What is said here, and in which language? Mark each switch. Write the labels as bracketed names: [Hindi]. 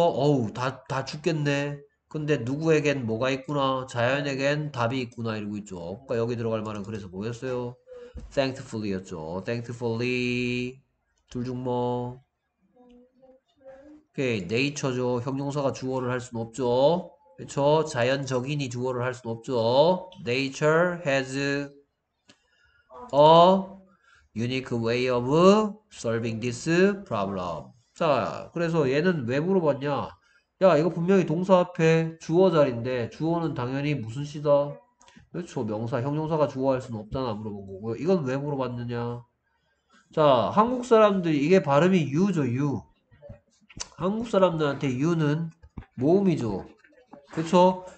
[Korean] 어우, 다 죽겠네. 근데 누구에겐 뭐가 있구나, 자연에겐 답이 있구나 이러고 있죠. 그러니까 여기 들어갈 말은 그래서 뭐였어요? Thankfully였죠. Thankfully 둘중 뭐? 오케이, nature죠. 형용사가 주어를 할순 없죠. 그렇죠? 자연적인이 주어를 할순 없죠. [English] Nature has a unique way of solving this problem. [Korean] 자, 그래서 얘는 왜 물어봤냐? 야, 이거 분명히 동사 앞에 주어 자리인데, 주어는 당연히 무슨 시다? 그렇죠. 명사, 형용사가 주어할 수는 없잖아. 물어본 거고요. 이건 왜 물어봤느냐? 자, 한국 사람들이, 이게 발음이 유죠, 유. 한국 사람들한테 유는 모음이죠. 그렇죠?